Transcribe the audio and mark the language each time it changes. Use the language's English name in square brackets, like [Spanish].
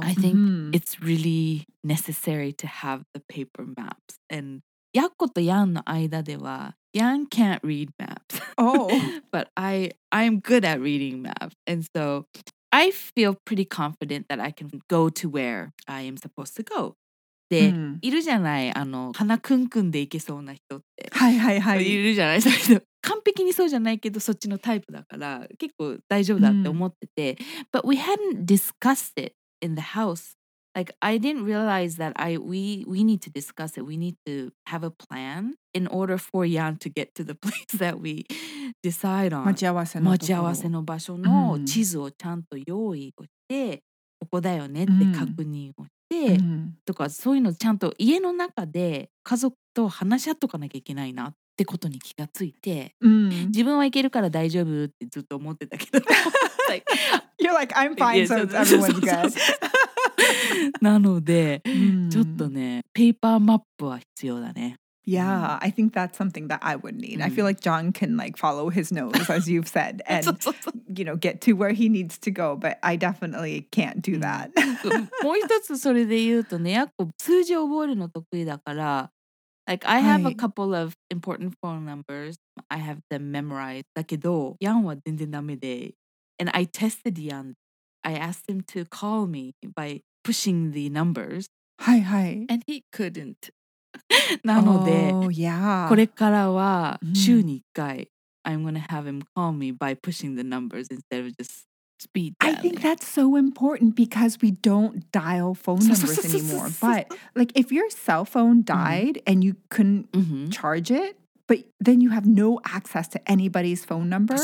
[English] I think it's really necessary to have the paper maps. And [Japanese] ヤコとヤンの間では、 [English] Yan can't read maps. Oh. But I'm good at reading maps. And so I feel pretty confident that I can go to where I am supposed to go. [Japanese] で、うん、いるじゃない、あの、鼻くんくんでいけそうな人って。はいはいはい。いるじゃない、そういう完璧にそうじゃないけど、そっちのタイプだから、結構大丈夫だって思ってて。うん、 [English] But we hadn't discussed it in the house. Like, I didn't realize that we need to discuss it. We need to have a plan in order for Yan to get to the place that we decide on. [Japanese] 待ち合わせの。待ち合わせの場所の地図をちゃんと用意をして、ここだよねって確認をして、うん、とか、そういうのちゃんと家の中で家族と話し合っとかなきゃいけないなって。ってことに気がついて、うん、自分は行けるから大丈夫ってずっと思ってたけど、 [English] like, You're like, I'm fine, so everyone's good. [Japanese] そうそうそうなので、うん、ちょっとね、ペーパーマップは必要だね。 [English] Yeah,、うん、I think that's something that I would need.、うん、I feel like John can like follow his nose, as you've said, and [Japanese] そうそうそう [English] you know, get to where he needs to go, but I definitely can't do that. [Japanese] もう一つそれで言うとね、やっぱ数字を覚えるの得意だから、 [English] Like, I have a couple of important phone numbers. I have them memorized. [Japanese] だけど、ヤンは全然ダメで。 [English] And I tested Yan. I asked him to call me by pushing the numbers. [Japanese] はいはい。 [English] And he couldn't. [Japanese] なので、 [English] oh, yeah. [Japanese] これからは週に1回、mm. [English] I'm gonna have him call me by pushing the numbers instead of just... Speed I think that's so important because we don't dial phone numbers anymore. But like if your cell phone died、mm-hmm. and you couldn't、mm-hmm. charge it, but then you have no access to anybody's phone number.